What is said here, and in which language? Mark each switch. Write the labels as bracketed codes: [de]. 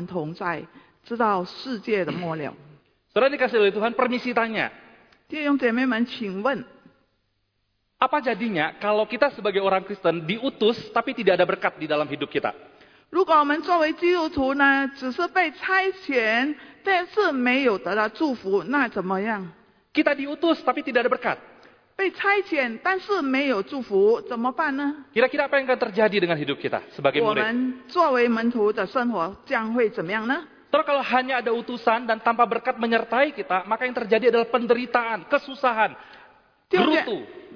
[zh] 主耶稣说，主耶稣近前来对他们说：“天上地下所有的权柄我都赐给我了，所以你们要去，使万民做我的门徒，奉父子圣灵的名为他们施洗。我就都把我所教训你们的都吩咐他们遵守，我就常与你们同在，直到世界的末了。” [id] Saudara dikasih oleh Tuhan, permisi tanya. [zh] 弟兄姐妹们，请问。 [id] Apa jadinya kalau kita sebagai orang Kristen diutus tapi tidak ada berkat di dalam hidup kita? [zh] 如果我们作为基督徒呢，只是被差遣，但是没有得到祝福，那怎么样？ [id] Kita diutus tapi tidak ada berkat. [zh] 被差遣，但是没有祝福，怎么办呢？ [id] Kira-kira apa yang akan terjadi dengan hidup kita sebagai murid? [zh] 我们作为门徒的生活将会怎么样呢？ [id] Terus kalau hanya ada utusan dan tanpa berkat menyertai kita, maka yang terjadi adalah penderitaan, kesusahan, gerutu.